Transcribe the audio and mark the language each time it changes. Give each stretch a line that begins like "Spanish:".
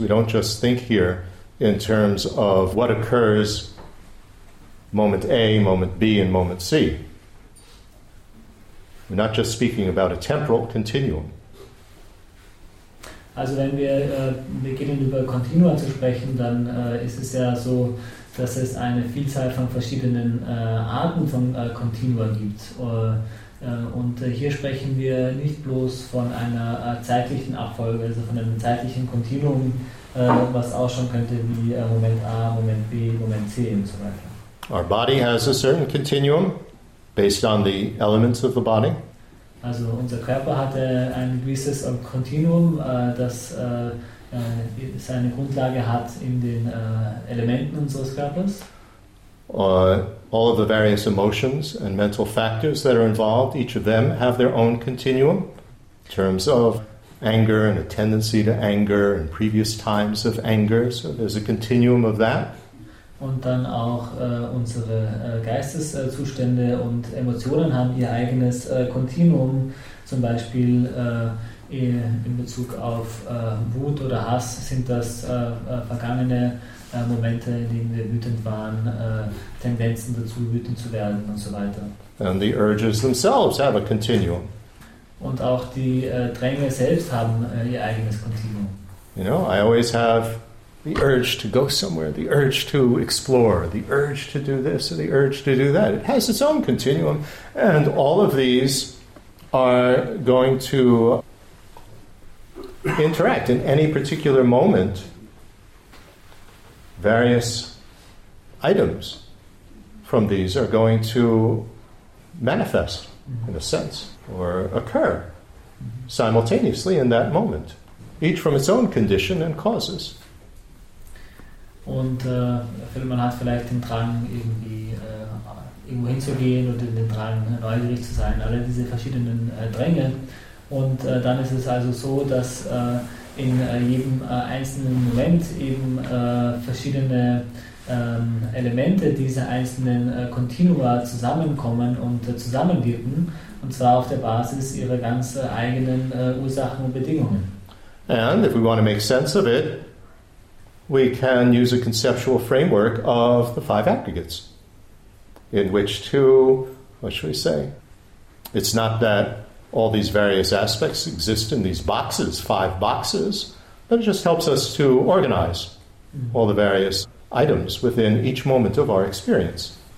English: We don't just think here in terms of what occurs moment A, moment B, and moment C. We're not just speaking about a temporal continuum.
German: Also wenn wir beginnen über Kontinuum zu sprechen, dann ist es ja so, dass es eine Vielzahl von verschiedenen Arten von Kontinuum gibt. Und hier sprechen wir nicht bloß von einer zeitlichen Abfolge, also von einem zeitlichen Kontinuum, was ausschauen könnte wie Moment A, Moment B, Moment C und so weiter.
English: Our body has a certain continuum based on the elements of the body.
German: Also unser Körper hatte ein gewisses Kontinuum, das seine Grundlage hat in den Elementen unseres Körpers.
English: All of the various emotions and mental factors that are involved, each of them have their own continuum in terms of anger and a tendency to anger and previous times of anger. So there's a continuum of that.
German: Und dann auch unsere Geisteszustände und Emotionen haben ihr eigenes Kontinuum, zum Beispiel in Bezug auf Wut oder Hass sind das vergangene Momente, in denen wir wütend waren, Tendenzen dazu, wütend zu werden und so weiter.
English: And the urges themselves have a continuum.
German: Und auch die Dränge selbst haben ihr eigenes Kontinuum.
English: You know, I always have the urge to go somewhere, the urge to explore, the urge to do this, or the urge to do that. It has its own continuum, and all of these are going to interact in any particular moment. Various items from these are going to manifest, in a sense, or occur simultaneously in that moment, each from its own condition and causes.
German: Und man hat vielleicht den Drang, irgendwie irgendwo hinzugehen oder den Drang, neugierig zu sein, alle diese verschiedenen Dränge. Und dann ist es also so, dass in jedem einzelnen Moment eben verschiedene Elemente dieser einzelnen Continua zusammenkommen und zusammenwirken, und zwar auf der Basis ihrer ganz eigenen Ursachen und Bedingungen.
English: And if we want to make sense of it, we can use a conceptual framework of the five aggregates, in which to, what should we say? It's not that all these various aspects exist in these boxes, five boxes, but it just helps us to organize all the various items within each moment of our experience.